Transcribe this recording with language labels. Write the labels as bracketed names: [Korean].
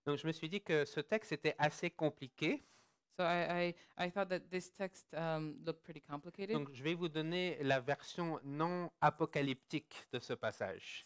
[French] Donc je me suis dit que ce texte était assez compliqué. [English] So I thought that this text looked pretty complicated. [French] Donc je vais vous donner la version non apocalyptique de ce passage.